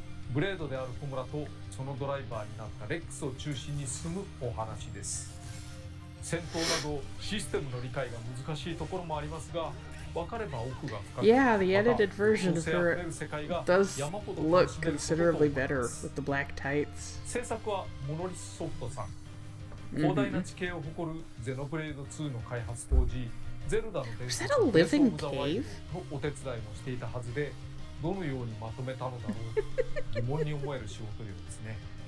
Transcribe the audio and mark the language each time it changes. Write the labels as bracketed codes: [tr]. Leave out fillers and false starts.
[ja] ブレードであるホムラとそのドライバーになったレックスを中心に進むお話です。戦闘などシステムの理解が難しいところもありますが、分かれば奥が深く。 [en] Yeah, the edited version of her does look considerably better with the black tights. [ja] 制作はモノリスソフトさん。広大な地形を誇るゼノブレード2の開発当時、ゼルダの伝説のレッソオブザワイルドのお手伝いもしていたはずで、どのようにまとめたのだろう疑問に思える仕事ようですね。